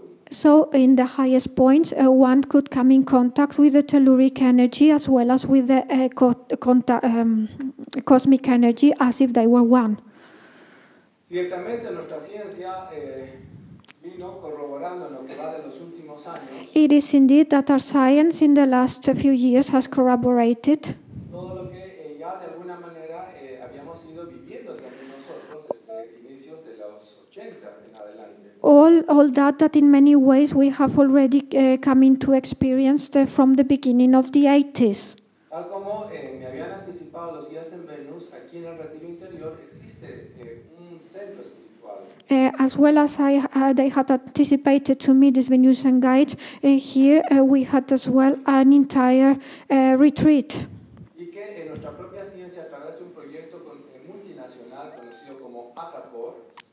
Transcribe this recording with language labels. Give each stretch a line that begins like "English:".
English: So in the highest points, one could come in contact with the telluric energy as well as with the cosmic energy, as if they were one.
Spanish: Ciertamente nuestra ciencia vino corroborando lo que va de los últimos años.
English: It is indeed that our science in the last few years has corroborated.
Spanish: Todo lo que ya de alguna manera habíamos ido viviendo también nosotros desde inicios de los 80.
English: All that in many ways we have already come into experience from the beginning of the 80s.
Spanish: Tal como me habían anticipado los días en Venus, aquí en el retiro interior existe un centro espiritual.
English: As well as they had anticipated to me this Venusian guide, here we had as well an entire retreat.
Spanish: Y que en nuestra propia ciencia, a través de un proyecto multinacional conocido como ACAPOR,